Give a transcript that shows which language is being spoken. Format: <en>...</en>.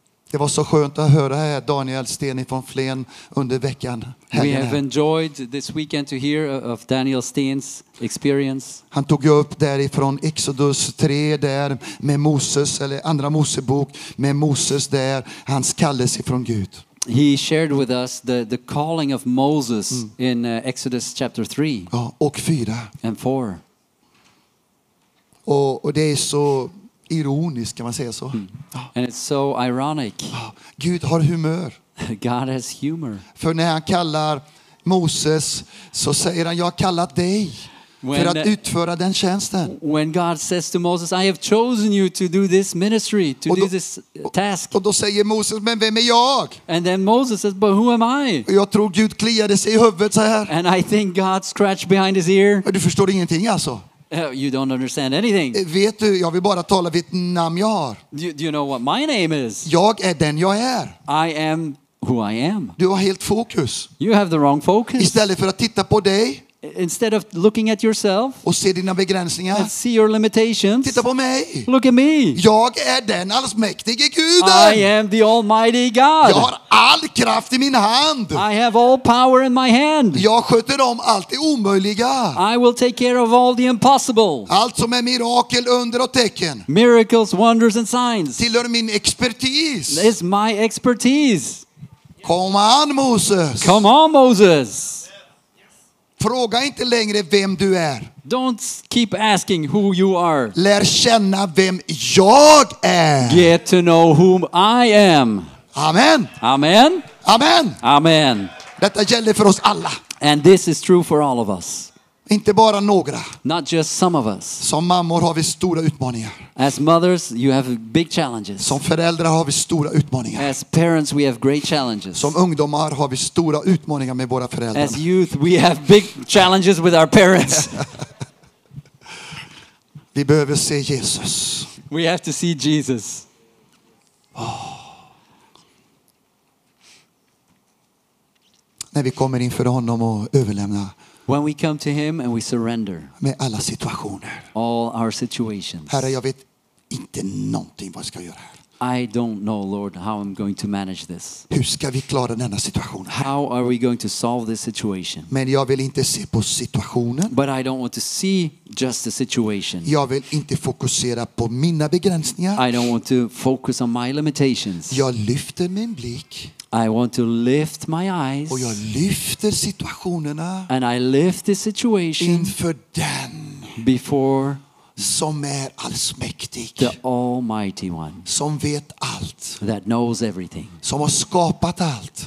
<sv>Det var så skönt att höra här Daniel Steni från Flen under veckan.</sv> <en>We have enjoyed this weekend to hear of Daniel Steens experience.</en> <sv>Han tog upp därifrån Exodus 3 där med Moses eller andra Mosebok med Moses där hans kallelse från Gud.</sv> <en>He shared with us the calling of Moses in Exodus chapter 3.</en> <sv>Ja, och 4.</sv> <en>And 4.</en> <sv>Och det är så ironiskt kan man säga så.</sv> <en>And it's so ironic.</en> <sv>Gud har humör.</sv> <en>God has humor.</en> <sv>För när han kallar Moses så säger han jag har kallat dig för att utföra den tjänsten.</sv> <en>When God says to Moses I have chosen you to do this ministry, to do this task.</en> <sv>Och då säger Moses men vem är jag?</sv> <en>And then Moses says but who am I?</en> <sv>Och jag tror Gud kliade sig i huvudet så här.</sv> <en>And I think God scratched behind his ear.</en> <sv>Du förstår ingenting alltså.</sv> <en>You don't understand anything.</en> <sv>Vet du, jag vill bara tala vitt namn jag har.</sv> <en>Do you know what my name is?</en> <sv>Jag är den jag är.</sv> <en>I am who I am.</en> <sv>Du har helt fokus.</sv> <en>You have the wrong focus.</en> <sv>Istället för att titta på dig.</sv> <en>Instead of looking at yourself.</en> <sv>Och se dina begränsningar.</sv> <en>And see your limitations.</en> <sv>Titta på mig.</sv> <en>Look at me.</en> <sv>Jag är den allsmäktige Guden.</sv> <en>I am the almighty God.</en> <sv>Jag har all kraft i min hand.</sv> <en>I have all power in my hand.</en> <sv>Jag sköter om allt det omöjliga.</sv> <en>I will take care of all the impossible.</en> <sv>Allt som är mirakel, under och tecken.</sv> <en>Miracles, wonders and signs.</en> <sv>Tillhör min expertis.</sv> <en>It's my expertise.</en> <sv>Kom an, Moses.</sv> <en>Come on, Moses.</en> <sv>Fråga inte längre vem du är.</sv> <en>Don't keep asking who you are.</en> <sv>Lär känna vem jag är.</sv> <en>Get to know whom I am.</en> <sv>Amen.</sv> <en>Amen.</en> <sv>Amen.</sv> <en>Amen.</en> <sv>Detta gäller för oss alla.</sv> <en>And this is true for all of us.</en> <sv>Inte bara några.</sv> <en>Not just some of us.</en> <sv>Som mammor har vi stora utmaningar.</sv> <en>As mothers, you have big challenges.</en> <sv>Som föräldrar har vi stora utmaningar.</sv> <en>As parents, we have great challenges.</en> <sv>Som ungdomar har vi stora utmaningar med våra föräldrar.</sv> <en>As youth, we have big challenges with our parents.</en> <sv>Vi behöver se Jesus.</sv> <en>We have to see Jesus.</en> <sv>När vi kommer inför honom och överlämnar.</sv> <en>When we come to him and we surrender.</en> <sv>Med alla situationer.</sv> <en>All our situations.</en> <sv>Herre, jag vet inte någonting vad jag ska göra.</sv> <en>I don't know, Lord, how I'm going to manage this.</en> <sv>Hur ska vi klara denna situation?</sv> <en>How are we going to solve this situation?</en> <sv>Men jag vill inte se på situationen.</sv> <en>But I don't want to see just the situation.</en> <sv>Jag vill inte fokusera på mina begränsningar.</sv> <en>I don't want to focus on my limitations.</en> <sv>Jag lyfter min blick.</sv> <en>I want to lift my eyes.</en> <sv>Och jag lyfter situationerna.</sv> <en>And I lift the situation</en> <sv>inför den.</sv> <en>Before</en> <sv>som är allsmäktig.</sv> <en>The Almighty One.</en> <sv>Som vet allt.</sv> <en>That knows everything.</en> <sv>Som har skapat allt.</sv>